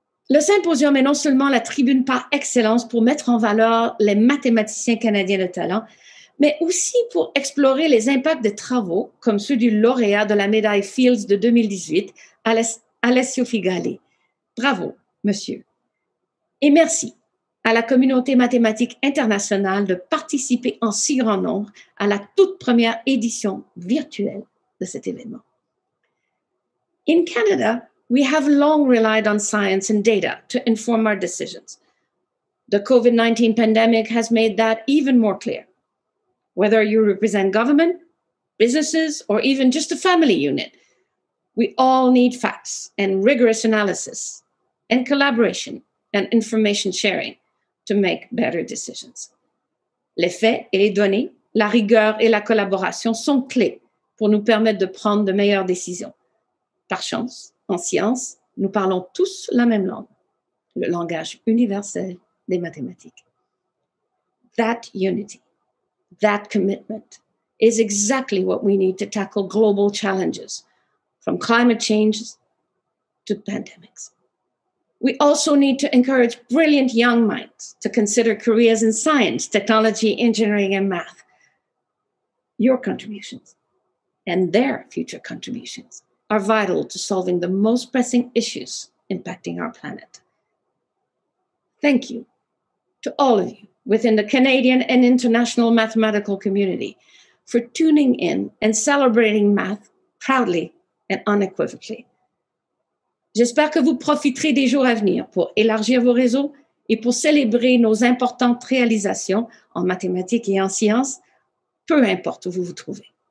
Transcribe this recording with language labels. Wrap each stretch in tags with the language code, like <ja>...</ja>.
<fr>Le symposium est non seulement la tribune par excellence pour mettre en valeur les mathématiciens canadiens de talent, mais aussi pour explorer les impacts des travaux comme ceux du lauréat de la médaille Fields de 2018, Alessio Figalli. Bravo, monsieur. Et merci à la communauté mathématique internationale de participer en si grand nombre à la toute première édition virtuelle de cet événement.</fr> <en>In Canada, we have long relied on science and data to inform our decisions. The COVID-19 pandemic has made that even more clear. Whether you represent government, businesses, or even just a family unit, we all need facts and rigorous analysis and collaboration and information sharing to make better decisions.</en> <fr>Les faits et les données, la rigueur et la collaboration sont clés pour nous permettre de prendre de meilleures décisions. Par chance, en science, nous parlons tous la même langue, le langage universel des mathématiques.</fr> <en>That unity, that commitment is exactly what we need to tackle global challenges, from climate change to pandemics. We also need to encourage brilliant young minds to consider careers in science, technology, engineering, and math. Your contributions and their future contributions are vital to solving the most pressing issues impacting our planet. Thank you to all of you within the Canadian and international mathematical community for tuning in and celebrating math proudly and unequivocally.</en> <fr>J'espère que vous profiterez des jours à venir pour élargir vos réseaux et pour célébrer nos importantes réalisations en mathématiques et en sciences, peu importe où vous vous trouvez.</fr>